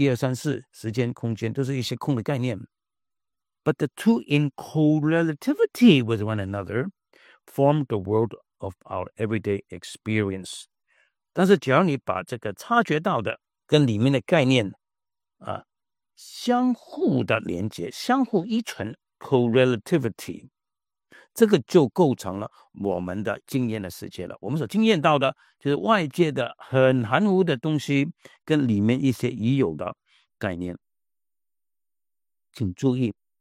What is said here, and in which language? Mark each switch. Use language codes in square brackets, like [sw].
[zh] 布兰姆也引用过这句话的。康德认为，你察觉到的，假如没有概念的话，是盲目的。含糊的红色、绿色的东西，概念若没有察觉到的资讯是空的，就是一二三四，时间、空间都是一些空的概念。 [en] But the two in correlativity with one another form the world of our everyday experience. [zh] 但是只要你把这个察觉到的跟里面的概念相互的连接，相互依存 correlativity， 这个就构成了我们的经验的世界了。我们所经验到的就是外界的很含糊的东西跟里面一些已有的概念。请注意。